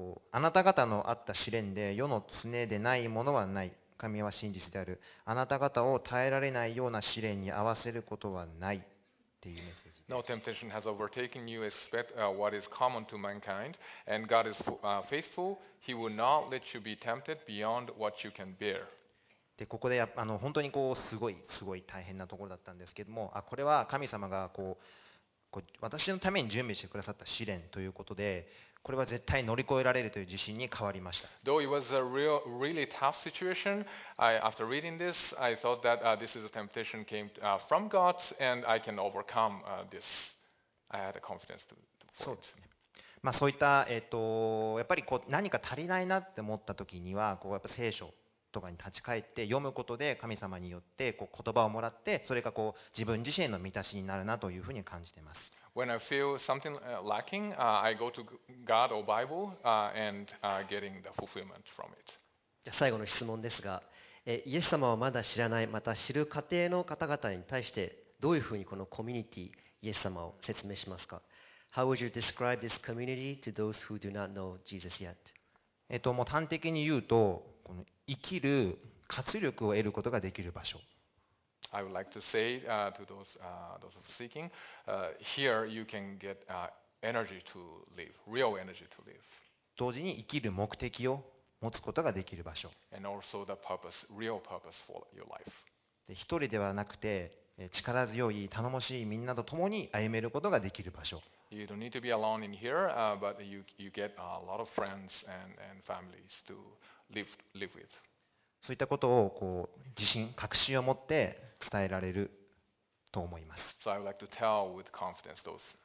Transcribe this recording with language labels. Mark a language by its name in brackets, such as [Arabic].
[Japanese] あなた方のあった試練で、世の常でないものはない。神は真実である。あなた方を耐えられないような試練に合わせることはないっていうメッセージ。 [English] No temptation has overtaken you except what is common to mankind, and God is faithful. He will not let you be tempted beyond what you can bear. [Japanese] で、ここで本当にこうすごいすごい大変なところだったんですけども、あ、これは神様がこう私のために準備してくださった試練ということで、これは絶対乗り越えられるという自信に変わりました。 [English] Though it was a real, really tough situation, after reading this, I thought that this is a temptation came from God and I can overcome this. I had a confidence to it. [Japanese] そうですね。まあ、そういった、やっぱりこう何か足りないなって思った時には、こうやっぱ聖書とかに立ち返って読むことで、神様によってこう言葉をもらって、それがこう自分自身の満たしになるなというふうに感じています。 [English] When I feel something lacking, I go to God or Bible, and getting the fulfillment from it. [Japanese] 最後の質問ですが、イエス様をまだ知らない、また知る過程の方々に対して、どういうふうにこのコミュニティ、イエス様を説明しますか？ [English] How would you describe this community to those who do not know Jesus yet? [Japanese] もう端的に言うと、この生きる活力を得ることができる場所。 [English] I would like to say to those seeking, here you can get energy to live, real energy to live. [Japanese] 同時に生きる目的を持つことができる場所。 [English] And also the purpose, real purpose for your life. [Japanese] 一人ではなくて、力強い頼もしいみんなと共に歩めることができる場所。 [English] You don't need to be alone in here, but you get a lot of friends and families to live with. [Japanese] そういったことをこう自信、確信を持って伝えられると思います。 [English] So I would like to tell with confidence those things.